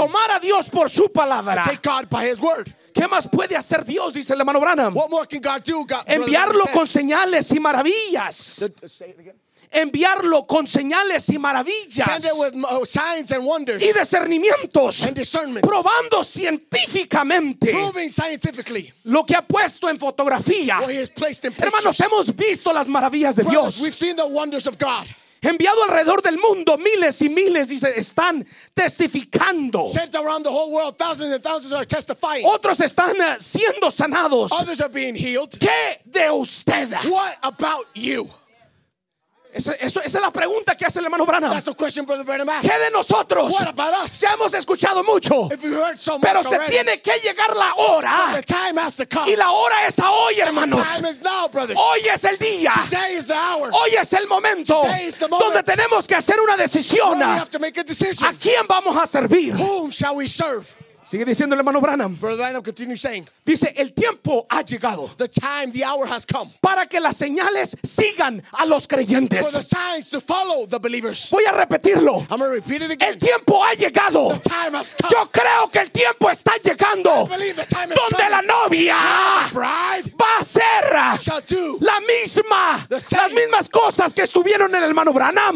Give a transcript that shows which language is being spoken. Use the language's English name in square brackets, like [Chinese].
[Spanish] Y tomar a Dios por su palabra. [English] Take God by his word. [Spanish] ¿Qué más puede hacer Dios? Dice el hermano Branham. [English] What more can God do? God, [Spanish] enviarlo con señales y maravillas. [English] Say it again. [Spanish] enviarlo con señales y maravillas. [English] Send it with signs and wonders. [Spanish] Y discernimientos. [English] And discernment. [Spanish] Probando científicamente. [English] Proving scientifically. [Spanish] Lo que ha puesto en fotografía. [English] What he has placed in pictures. [Spanish] Hermanos, hemos visto las maravillas de Dios. [English] We've seen the wonders of God. [Spanish] Enviado alrededor del mundo, miles y miles dice, están testificando. [English] Sent around the whole world, thousands and thousands are testifying. [Spanish] Otros están siendo sanados. [English] Others are being healed. [Spanish] ¿Qué de usted? [English] What about you? [Spanish] Esa es la pregunta que hace el hermano Branham. [English] That's the question Brother Branham asks. [Spanish] ¿Qué de nosotros? [English] What about us? [Spanish] Ya hemos escuchado mucho. [English] If you heard so much, [Spanish] pero se [English] already, [Spanish] tiene que llegar la hora. [English] The time has to come. [Spanish] Y la hora es hoy, hermanos. [English] The time is now, brothers. [Spanish] Hoy es el día. [English] Today is the hour. [Spanish] Hoy es el momento. [English] Today is the moment. [Spanish] Donde tenemos que hacer una decisión. [English] Where we have to make a decision. [Spanish] ¿A quién vamos a servir? [English] Whom shall we serve? [Spanish] Sigue diciendo el hermano Branham. [English] Brother Branham continues saying, [Spanish] dice, el tiempo ha llegado. [English] The time, the hour has come. [Spanish] Para que las señales sigan a los creyentes. [English] For the signs to follow the believers. [Spanish] Voy a repetirlo. [English] I'm going to repeat it again. [Spanish] El tiempo ha llegado. [English] The time has come. [Spanish] Yo creo que el tiempo está llegando. [English] I believe the time is [Spanish] donde [English] coming. [Spanish] La novia [English] bride [Spanish] va a ser [English] shall do [Spanish] la misma, [English] the same, [Spanish] las mismas cosas que estuvieron en el hermano Branham.